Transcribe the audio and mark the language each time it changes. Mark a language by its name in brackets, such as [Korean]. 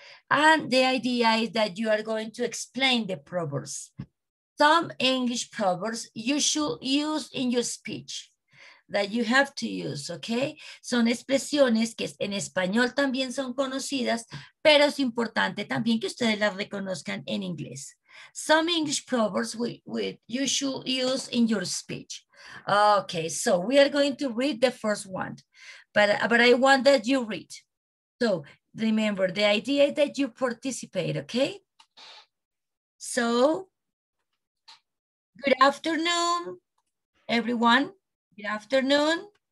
[English] And the idea is that you are going to explain the proverbs. Some English proverbs you should use in your speech, that you have to use, okay? [Spanish] Son expresiones que en español también son conocidas, pero es importante también que ustedes las reconozcan en inglés. [English] Some English proverbs you should use in your speech. Okay, so we are going to read the first one, but I want that you read. So remember, the idea that you participate, okay? So, good afternoon, everyone. Good afternoon.